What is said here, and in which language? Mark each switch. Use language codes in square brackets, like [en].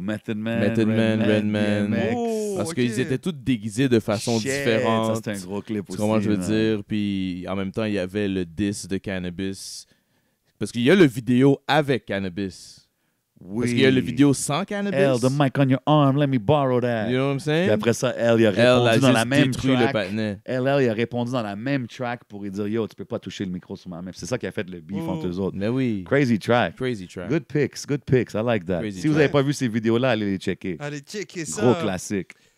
[fr] Method Man, Redman. Parce qu'ils étaient tous déguisés de façon différente. Ça, c'était un gros clip aussi. C'est comment je veux dire. Puis en même temps, il y avait le diss de Cannabis. Parce qu'il y a le vidéo avec Cannabis. Oui. Parce qu'il y a le vidéo sans Cannabis. [en] L, the mic on your arm, let me borrow that. You know what I'm saying? [fr] Puis après ça, L, il a répondu dans la même track. Le patinet. L, il a répondu dans la même track pour lui dire, yo, tu peux pas toucher le micro sur ma main. C'est ça qui a fait le beef entre eux autres. Mais oui. [en] Crazy track. Good picks. I like that. [fr] Si vous avez pas vu ces vidéos-là, allez les checker. Allez checker ça. Gros classique.